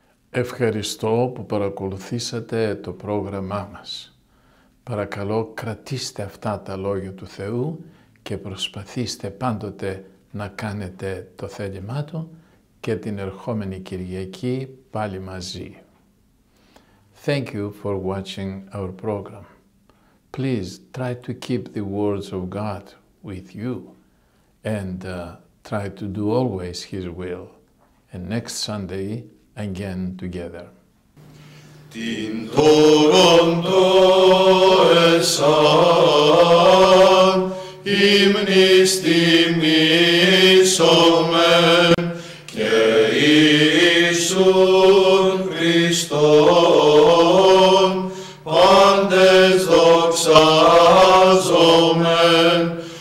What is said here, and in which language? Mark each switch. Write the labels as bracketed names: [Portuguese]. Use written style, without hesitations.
[Greek] Ευχαριστώ που παρακολουθήσατε το πρόγραμμά μας. Παρακαλώ κρατήστε αυτά τα λόγια του Θεού και προσπαθήστε πάντοτε να κάνετε το θέλημά Του και την ερχόμενη Κυριακή πάλι μαζί. [English] Thank you for watching our program. Please try to keep the words of God with you and try to do always His will. And next Sunday, again together. [Greek] Την Τόροντο εσάν ύμνης τιμήσομεν και Ιησούν Χριστόν πάντες δοξάζομεν